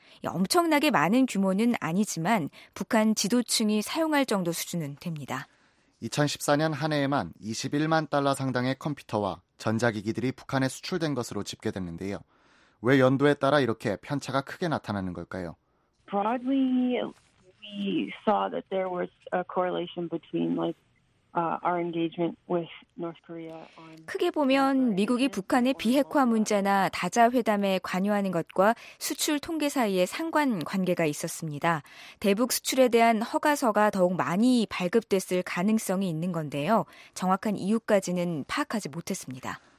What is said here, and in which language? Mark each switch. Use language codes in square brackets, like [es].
[ko] 엄청나게 많은 규모는 아니지만 북한 지도층이 사용할 정도 수준은 됩니다. 2014년 한 해에만 21만 달러 상당의 컴퓨터와 전자기기들이 북한에 수출된 것으로 집계됐는데요. 왜 연도에 따라 이렇게 편차가 크게 나타나는 걸까요? [en] Broadly, we saw that there was a correlation between like our engagement with North Korea. [ko] 크게 보면 미국이 북한의 비핵화 문제나 다자회담에 관여하는 것과 수출 통계 사이의 상관 관계가 있었습니다. 대북 수출에 대한 허가서가 더욱 많이 발급됐을 가능성이 있는 건데요. 정확한 이유까지는 파악하지 못했습니다.